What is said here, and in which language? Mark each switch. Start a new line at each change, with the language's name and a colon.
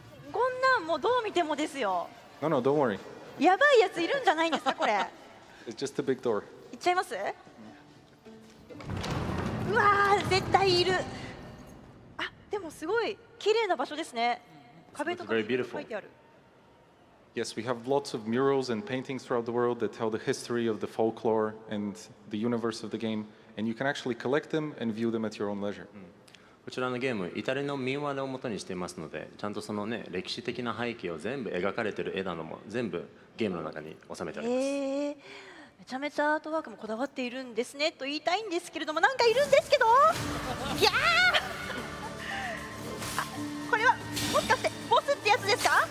Japanese: こんなんもうどう見てもですよ。
English: No, no, don't worry.
Japanese: やばいやついるんじゃないんですかこれ。
English: It's just a big door.
Japanese: 行っちゃいます。うわー、絶対いる。あ、でもすごい綺麗な場所ですね。
English: Yes, we have lots of murals and paintings throughout the world that tell the history of the folklore and the universe of the game, and you can actually collect them and view them at your own leisure.
Japanese: こちらのゲーム、イタリアの民話を元にしていますので、ちゃんとそのね、歴史的な背景を全部描かれている絵なども全部ゲームの中に収めてあります。めちゃめちゃアートワークもこだわっているんですねと言いたいんですけれども、なんかいるんですけど。いやあ、これはもしかして。やつですか？